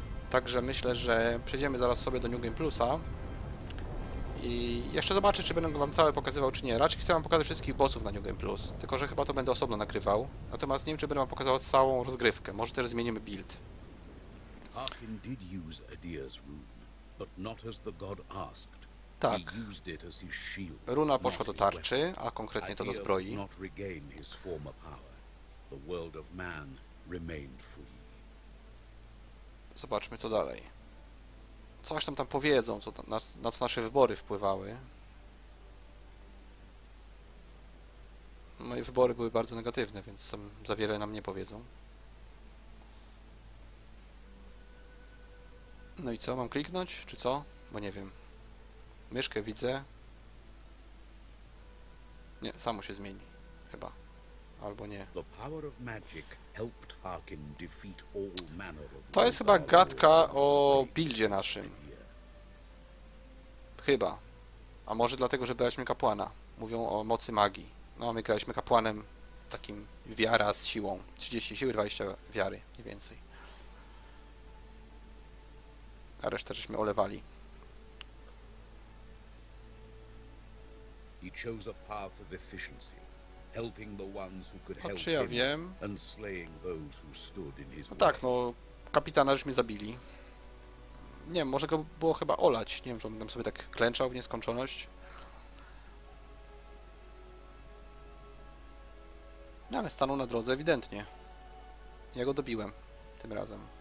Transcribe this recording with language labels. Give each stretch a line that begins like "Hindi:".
Polish: Także myślę, że przejdziemy zaraz sobie do New Game Plusa. I jeszcze zobaczę, czy będę wam całe pokazywał, czy nie. Raczej chcę wam pokazać wszystkich bossów na New Game Plus. Tylko, że chyba to będę osobno nagrywał. Natomiast nie wiem, czy będę wam pokazał całą rozgrywkę. Może też zmienimy build.
English: Arkin did use Adir's rune, but not as the god asked.
Polish: Tak. Runa poszła do tarczy, a konkretnie to do zbroi.
English: Adir not regain his former power. The world of man remained free.
Polish: Zobaczmy, co dalej. Coś tam powiedzą, co tam, na co nasze wybory wpływały. Moje wybory były bardzo negatywne, więc za wiele nam nie powiedzą. No i co, mam kliknąć, czy co? Bo nie wiem. Myszkę widzę. Nie, samo się zmieni. Chyba. Albo nie.
English: The power of magic helped Harkin defeat all manner of...
Polish: To jest chyba gadka o buildzie naszym. Chyba. A może dlatego, że braliśmy kapłana. Mówią o mocy magii. No a my graliśmy kapłanem takim wiara z siłą. 30 siły, 20 wiary, mniej więcej. A resztę żeśmy olewali.
English: He chose a path of efficiency. Helping the ones who could help him and slaying those who stood in his way.
Polish: No tak, no kapitana żeśmy zabili. Nie wiem, może go było chyba olać. Nie wiem, że on tam sobie tak klęczał w nieskończoność. No ale stanął na drodze ewidentnie. Ja go dobiłem tym razem.